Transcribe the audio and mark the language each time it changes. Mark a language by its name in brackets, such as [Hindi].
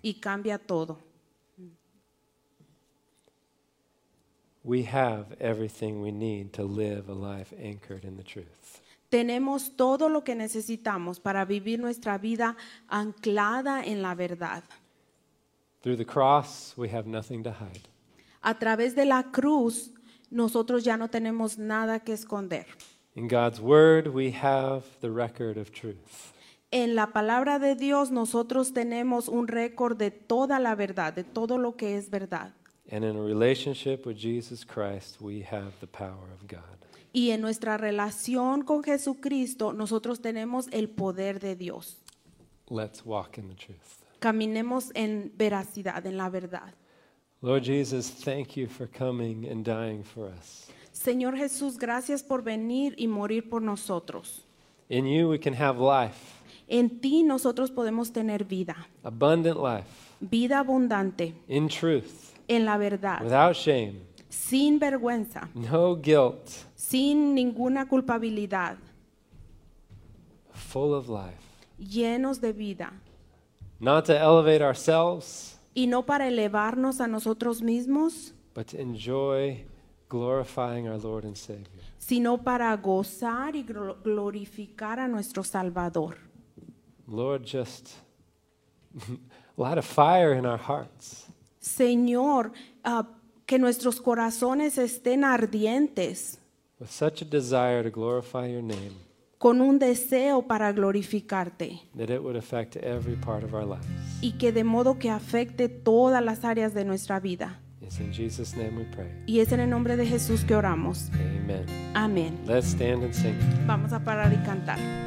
[Spanish] Y cambia todo. [English] We have everything we need to live a life anchored in the truth. [Spanish] Tenemos todo lo que necesitamos para vivir nuestra vida anclada en la verdad. [English] Through the cross, we have nothing to hide. [Spanish] A través de la cruz, nosotros ya no tenemos nada que esconder. [English] In God's word, we have the record of truth. [Spanish] En la palabra de Dios, nosotros tenemos un récord de toda la verdad, de todo lo que es verdad. [English] And in a relationship with Jesus Christ, we have the power of God. [Spanish] Y en nuestra relación con Jesucristo, nosotros tenemos el poder de Dios. [English] Let's walk in the truth. [Spanish] Caminemos en veracidad, en la verdad. [English] Lord Jesus, thank you for coming and dying for us. [Spanish] Señor Jesús, gracias por venir y morir por nosotros. [English] In you we can have life. [Spanish] En ti nosotros podemos tener vida. [English] Abundant life. [Spanish] Vida abundante. [English] In truth. [Spanish] En la verdad. [English] Without shame. [Spanish] Sin vergüenza. [English] No guilt. [Spanish] Sin ninguna culpabilidad. [English] Full of life. [Spanish] Llenos de vida. [English] Not to elevate ourselves. [Spanish] Y no para elevarnos a nosotros mismos. [English] But to enjoy glorifying our Lord and Savior. [Spanish] Sino para gozar y glorificar a nuestro Salvador. [English] Lord, just light a fire in our hearts. [Spanish] Señor, que nuestros corazones estén ardientes. [English] With such a desire to glorify your name. [Spanish] Con un deseo para glorificarte. [English] That it would affect every part of our lives. [Spanish] Y que de modo que afecte todas las áreas de nuestra vida. [English] It's in Jesus' name we pray. [Spanish] Y es en el nombre de Jesús que oramos. [English] Amen. [Spanish] Amen. [English] Let's stand and sing. [Spanish] Vamos a parar y cantar.